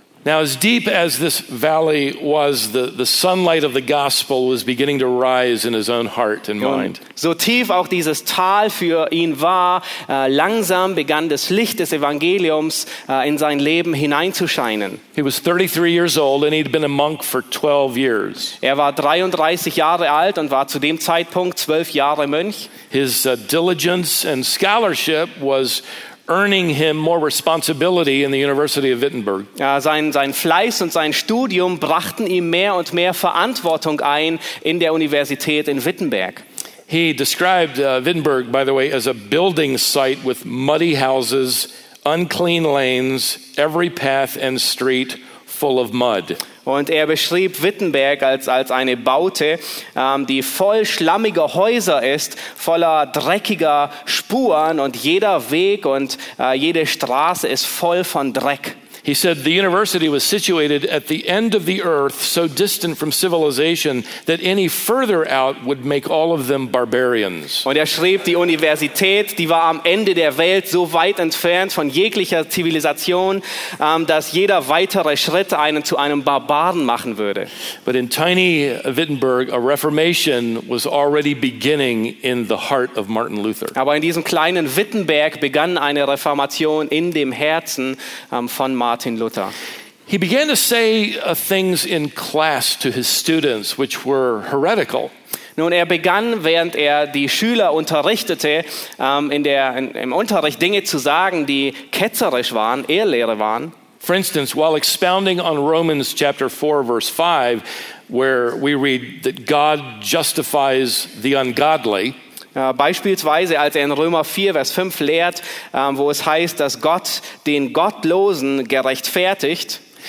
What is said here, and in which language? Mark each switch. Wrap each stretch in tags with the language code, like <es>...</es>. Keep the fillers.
<en>Now, as deep as this valley was, the, the sunlight of the gospel was beginning to rise in his own heart and und mind.</en> <de>Und so tief auch dieses Tal für ihn war, uh, langsam begann das Licht des Evangeliums uh, in sein Leben hineinzuscheinen.</de> <en>He was 33 years old and he'd been a monk for 12 years.</en> <de>Er war 33 Jahre alt und war zu dem Zeitpunkt 12 Jahre Mönch.</de> <en>His uh, diligence and scholarship was earning him more responsibility in the University of Wittenberg.</en> <de>Ja, sein, sein Fleiß und sein Studium brachten ihm mehr und mehr Verantwortung ein in der Universität in Wittenberg.</de> <en>He described uh, Wittenberg, by the way, as a building site with muddy houses, unclean lanes, every path and street full of mud.</en> <de>Und er beschrieb Wittenberg als, als eine Baute, ähm, die voll schlammiger Häuser ist, voller dreckiger Spuren und jeder Weg und äh, jede Straße ist voll von Dreck.</de> <en>He said the university was situated at the end of the earth, so distant from civilization that any further out would make all of them barbarians.</en> <de>Und er schrieb, die Universität, die war am Ende der Welt, so weit entfernt von jeglicher Zivilisation, um, dass jeder weitere Schritt einen zu einem Barbaren machen würde.</de> <en>But in tiny Wittenberg, a Reformation was already beginning in the heart of Martin Luther.</en> <de>Aber in diesem kleinen Wittenberg begann eine Reformation in dem Herzen um, von Martin.</de> <en>He began to say uh, things in class to his students which were heretical.</en> <de>Nun, er begann, während er die Schüler unterrichtete, in der, im Unterricht Dinge zu sagen, die ketzerisch waren, Ehrlehre waren.</de> <en>For instance, while expounding on Romans chapter 4, verse 5, where we read that God justifies the ungodly.</en> <de>Uh, beispielsweise, als er in Römer 4, Vers 5 lehrt, um, wo es heißt, dass Gott den Gottlosen gerechtfertigt.</de>